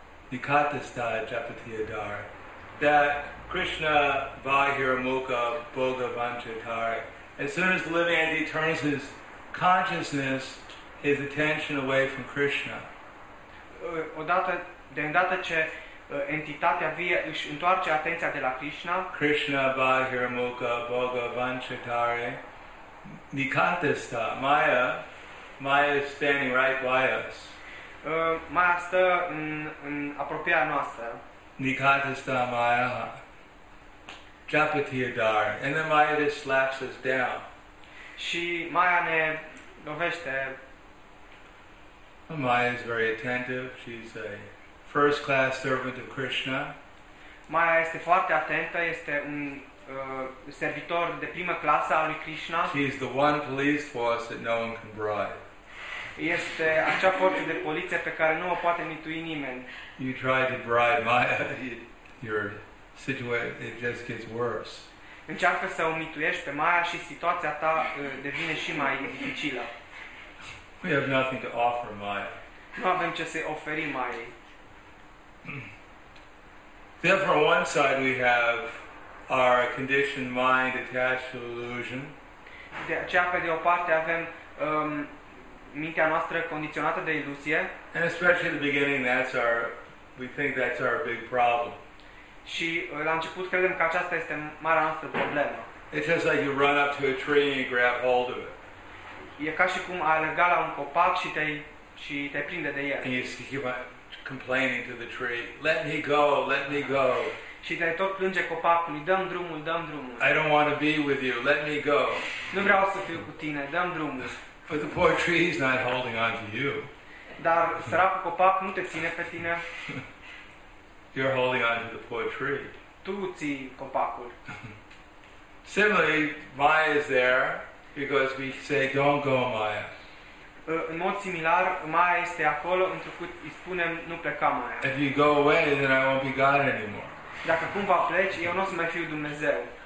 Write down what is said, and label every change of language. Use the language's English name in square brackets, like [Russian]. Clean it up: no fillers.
[Sanskrit] Nikatasta japatiyadare. That Krishna vahira mukha bhoga vanchitare. [English] As soon as the living entity turns his consciousness, his attention away from Krishna. [Romanian] Odată ce entitatea vie își întoarce atenția de la Krishna. [Sanskrit] Krishna vahira mukha bhoga vanchitare. [English] Nikatasta Maya is standing right by us. [Romanian] Maya stă în apropiarea noastră. [Sanskrit] Nikatasta Maya. Japatiyadare. [English] And then Maya just slaps us down. [Romanian] Și Maya ne lovește. [English] Maya is very attentive. She's a first class servant of Krishna. [Romanian] Maya este foarte atentă. Este un servitor de primă clasă al lui Krishna. [English] She is the one police force that no one can bribe. [Romanian] Este acea forță de poliție pe care nu o poate mitui nimeni. [English] You try to bribe Maya, your situation it just gets worse. [Romanian] Încearcă să o mituiești pe Maya și situația ta devine și mai dificilă. [English] We have nothing to offer Maya. [Romanian] Nu avem ce să oferi Maya. [English] Therefore, on one side we have our conditioned mind attached to illusion. [Romanian] De aceea, pe de o parte avem mintea noastră condiționată de iluzie. [English] And especially at the beginning, we think that's our big problem. [Romanian] Și la început credem că aceasta este marea noastră problemă. [English] It's just like you run up to a tree and you grab hold of it. [Romanian] E ca și cum ai alerga la un copac și te prinde de el. [English] And you keep complaining to the tree, let me go, let me go. [Romanian] Și te tot plânge copacului, dăm drumul, dăm drumul. [English] I don't want to be with you, let me go. [Romanian] Nu vreau să fiu cu tine, dăm drumul. [English] But the poor tree is not holding on to you. [Romanian] Dar săracul copac nu te ține pe tine. [English] You're holding on to the poor tree. [Romanian] Tu ții copacul. [English] Similarly, Maya is there because we say, "Don't go, Maya." [Romanian] În mod similar, Maya este acolo întrucât îi spunem, "Nu pleca, Maya." [English] If you go away, then I won't be God anymore. [Romanian] Dacă cumva pleci, eu nu o să mai fiu Dumnezeu.